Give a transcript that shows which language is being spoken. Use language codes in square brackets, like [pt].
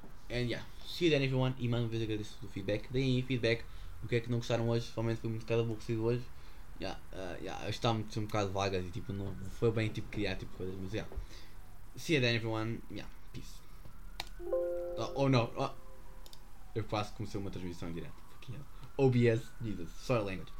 [en] And yeah, see you then everyone, [pt] e mais uma vez agradeço o feedback. Deem aí feedback, o que é que não gostaram hoje, realmente foi um bocado aborrecido hoje. Está um bocado vagas e tipo, não foi bem tipo criar tipo coisas, mas [en] yeah. See you then everyone, yeah, peace. [pt] Eu quase comecei uma transmissão em direto. OBS, [en] Jesus, sorry language.